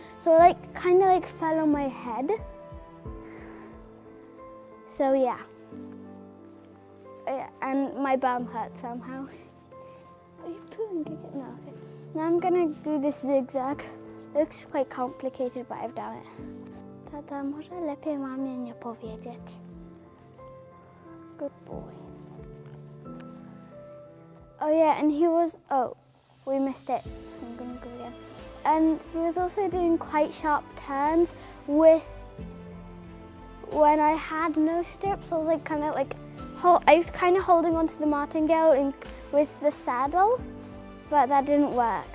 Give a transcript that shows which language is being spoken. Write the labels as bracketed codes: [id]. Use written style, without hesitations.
[en] So I like kind of like fell on my head. So yeah, and my bum hurt somehow. Are you pulling again? No, okay. Now I'm gonna do this zigzag. Looks quite complicated, but I've done it. [pl] Tata, może lepiej mamie nie powiedzieć. [en] Good boy. Oh yeah, and he was, we missed it. I'm gonna go again. And he was also doing quite sharp turns with when I had no stirrups. I was like kind of like, I was kind of holding onto the martingale with the saddle, but that didn't work.